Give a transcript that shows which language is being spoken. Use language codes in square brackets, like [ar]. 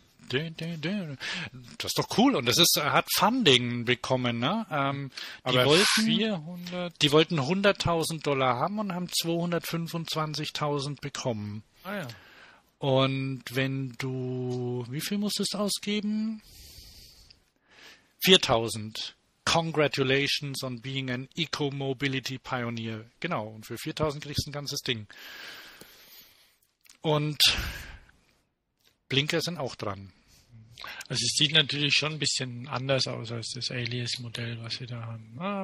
[de] Das ist doch cool und hat Funding bekommen, ne? Die Aber wollten 400. 100.000 Dollar haben und haben 225.000 bekommen. Ah ja. Und wenn du, wie viel musstest du ausgeben? 4.000. [en] Congratulations on being an Eco-Mobility Pioneer. [de] Genau, und für 4.000 kriegst du ein ganzes Ding. Und Blinker sind auch dran. Also es sieht natürlich schon ein bisschen anders aus als das Alias-Modell, was wir da haben.